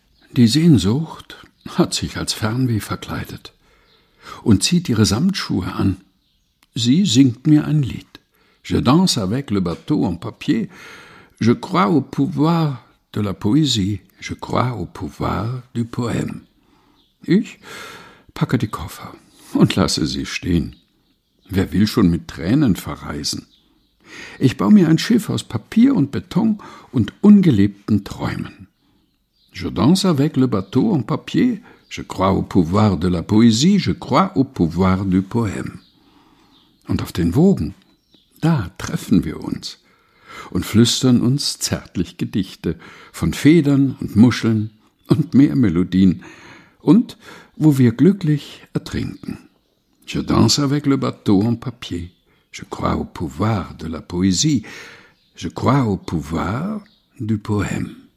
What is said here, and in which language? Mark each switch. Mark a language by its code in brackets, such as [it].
[de] Die Sehnsucht hat sich als Fernweh verkleidet und zieht ihre Samtschuhe an. Sie singt mir ein Lied. [fr] Je danse avec le bateau en papier. Je crois au pouvoir de la poésie. Je crois au pouvoir du poème. [de] Ich packe die Koffer und lasse sie stehen. Wer will schon mit Tränen verreisen? Ich baue mir ein Schiff aus Papier und Beton und ungelebten Träumen. [fr] Je danse avec le bateau en papier, je crois au pouvoir de la poésie, je crois au pouvoir du poème. [de] Und auf den Wogen, da treffen wir uns und flüstern uns zärtlich Gedichte von Federn und Muscheln und Meermelodien und wo wir glücklich ertrinken. [fr] Je danse avec le bateau en papier. Je crois au pouvoir de la poésie. Je crois au pouvoir du poème.